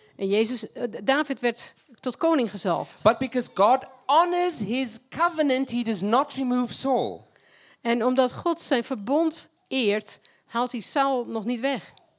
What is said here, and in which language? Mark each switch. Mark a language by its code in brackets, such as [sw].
[nl] En Jezus, David werd tot koning gezalfd. [en] But because God honors his covenant, he does not remove Saul. [nl] En omdat God zijn verbond eert, haalt hij Saul nog niet weg.